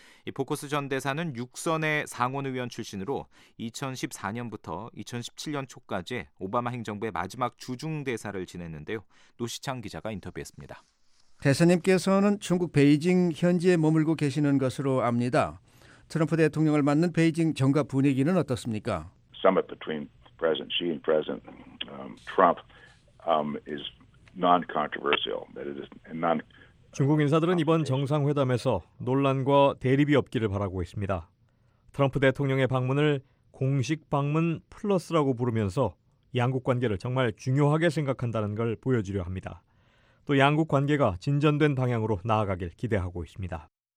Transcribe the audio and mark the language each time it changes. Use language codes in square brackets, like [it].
[ko] 이 보커스 전 대사는 6선의 상원의원 출신으로 2014년부터 2017년 초까지 오바마 행정부의 마지막 주중대사를 지냈는데요. 노시창 기자가 인터뷰했습니다. 대사님께서는 중국 베이징 현지에 머물고 계시는 것으로 압니다. 트럼프 대통령을 맞는 베이징 정가 분위기는 어떻습니까? [en] Summit between President Xi and President Trump is non-controversial. That is non [ko] 중국 인사들은 이번 정상회담에서 논란과 대립이 없기를 바라고 있습니다. 트럼프 대통령의 방문을 공식 방문 플러스라고 부르면서 양국 관계를 정말 중요하게 생각한다는 걸 보여주려 합니다. 또 양국 관계가 진전된 방향으로 나아가길 기대하고 있습니다.